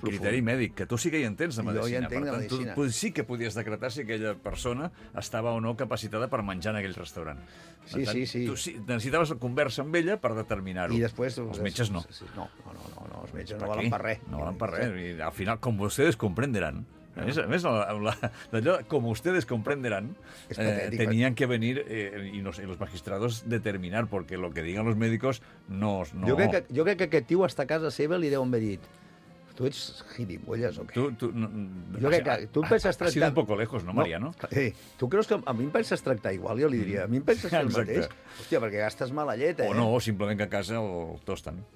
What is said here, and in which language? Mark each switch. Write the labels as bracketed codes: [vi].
[ca] criteri mèdic, que tu sí que hi entens de medicina. Jo hi entenc de medicina. Tu sí que podies decretar si aquella persona estava o no capacitada per menjar en aquell restaurant. Sí, tant, sí, sí. Tu sí, necessitaves conversa amb ella per determinar-ho. I després... Els metges no. No, els metges no valen per res. No valen per res. I al final, com vostès comprendran... A més, d'allò, [es] com ustedes comprenderán, tenían que venir y los magistrados determinar, porque lo que digan los médicos no... [ca] Jo crec que aquest tio està a casa seva li deu haver dit, tu ets gilipolles o què? Tu em penses tractar... [es] Ha sido un poco lejos, no, Mariano? [ca] Tu creus que a mi em penses tractar igual, jo li diria. A mi em penses el mateix? Hòstia, perquè gastes mala llet, O no, simplement que a casa el tosten.